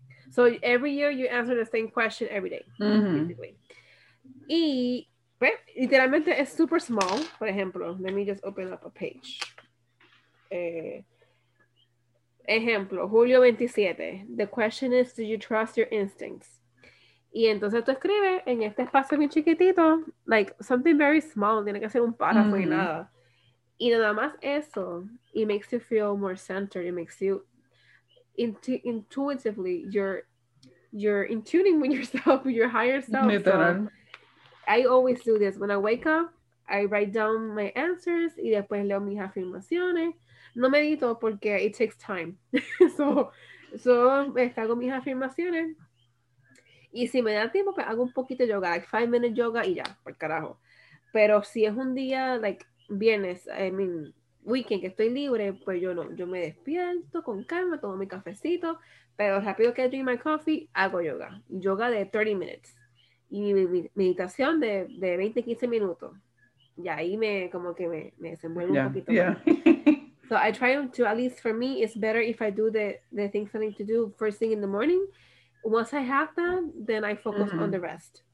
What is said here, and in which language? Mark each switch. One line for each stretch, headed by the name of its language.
English: So every year you answer the same question every day, basically.
Spanish: Y, literalmente, es
English: super small.
Spanish: Por ejemplo,
English: let me just open up a page.
Spanish: Ejemplo, Julio 27.
English: The question is, do you trust your instincts?
Spanish: Y entonces tú escribes en este espacio bien chiquitito,
English: like something very small,
Spanish: tiene que ser un párrafo y nada. Y nada más eso,
English: it makes you feel more centered, it makes you intuitively, you're in tuning with yourself, with your higher self. So, I always do this. When I wake up, I write down my answers
Spanish: y después leo mis afirmaciones. No medito porque
English: it takes time.
Spanish: So, hago mis afirmaciones. Y si me da tiempo, pues hago un poquito de yoga,
English: like 5 minutes yoga
Spanish: y ya, por carajo. Pero si es un día, like, viernes,
English: I mean,
Spanish: weekend que estoy libre, pues yo no, yo me despierto con calma, tomo mi cafecito, pero rápido que
English: drink my coffee,
Spanish: hago yoga. Yoga de 30 minutes. Y mi meditación de 20, 15 minutos. Y ahí me, como que me desenvuelvo un poquito más.
English: So I try to, at least for me, it's better if I do the things I need to do first thing in the morning. Once I have them, then I focus on the rest.